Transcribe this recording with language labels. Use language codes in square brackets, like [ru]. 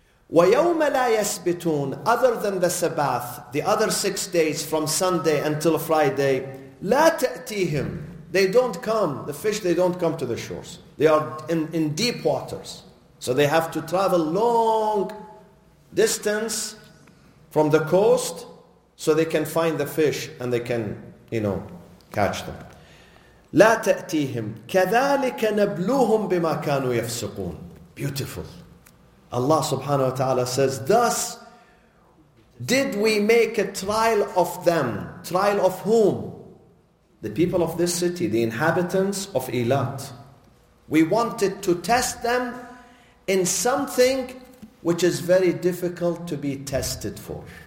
[ar] ويوم لا يسبتون, [en] other than the Sabbath, the other 6 days from Sunday until Friday, [ar] لا تأتيهم. [en] They don't come. The fish, they don't come to the shores. They are in deep waters. So they have to travel long distance from the coast, so they can find the fish and they can, you know, catch them. [ar] لا تأتيهم كذلك نبلوهم بما كانوا يفسقون. [en] Beautiful. Allah subhanahu wa ta'ala says, thus did we make a trial of them. Trial of whom? The people of this city, the inhabitants of Eilat. We wanted to test them in something which is very difficult to be tested for.